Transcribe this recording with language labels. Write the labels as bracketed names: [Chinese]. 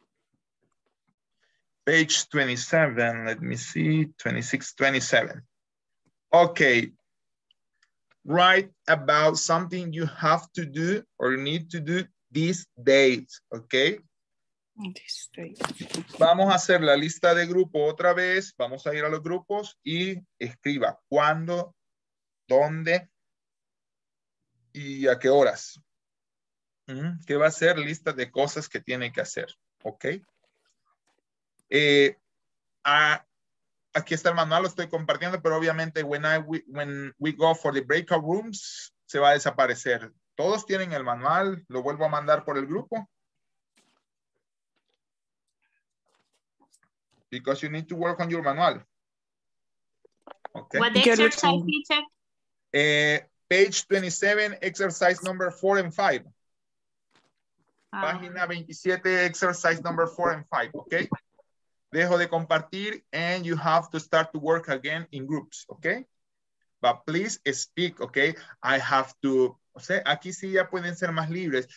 [English] Mm-hmm. Page 27, let me see, 26, 27. Okay, write about something you have to do or need to do these days, okay? [Spanish] Vamos a hacer la lista de grupo otra vez. Vamos a ir a los grupos y escriba cuándo, dónde y a qué horas. ¿Qué va a ser? Lista de cosas que tiene que hacer. ¿Ok? Aquí está el manual, lo estoy compartiendo, pero obviamente [English] when we go for the breakout rooms, [Spanish] se va a desaparecer. Todos tienen el manual, lo vuelvo a mandar por el grupo. [English] Because you need to work on your manual. Okay. What exercise, teacher? Page 27, exercise number 4 and 5. Página 27, exercise number 4 and 5. Okay. [Spanish] Dejo de compartir [English] and you have to start to work again in groups. Okay. But please speak. Okay. I have to. [Spanish] O sea, aquí sí ya pueden ser más libres.